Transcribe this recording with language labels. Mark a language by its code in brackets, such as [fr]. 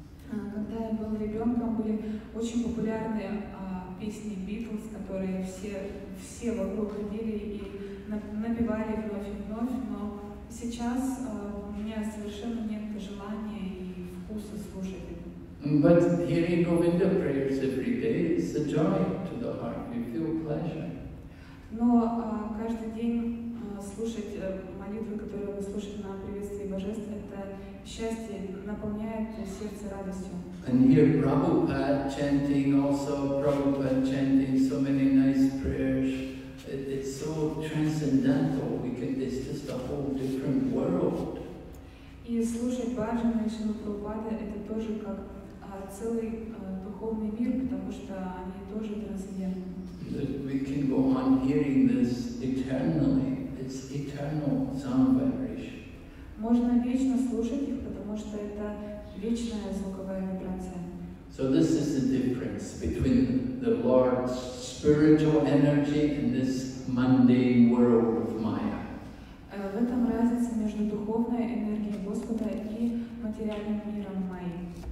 [ru] Когда я был ребенком, были очень популярные песни Beatles, которые все вокруг ходили и напевали вновь и вновь, но сейчас у меня совершенно нет желания и вкуса слушать их. [en] But hearing Govinda prayers every day is a joy to the heart. You feel pleasure. [ru] Но каждый день слушать молитвы, которые вы слушаете на приветствии Божеств, это счастье, наполняет сердце радостью. [en] And here Prabhupada chanting also, Prabhupada chanting so many nice prayers. It's so transcendental. It's just a whole different world. [ru] И слушать Бхаджана и Шрилу Прабхупаду, это тоже как целый духовный мир, потому что они тоже трансцендентны. [en] We can go on hearing this eternally. It's eternal sound vibration. [ru] Можно вечно слушать их, потому что это вечная звуковая вибрация. [en] So this is the difference between the Lord's spiritual energy and this mundane world of Maya. [ru] В этом разница между духовной энергией Господа и материальным миром Майи.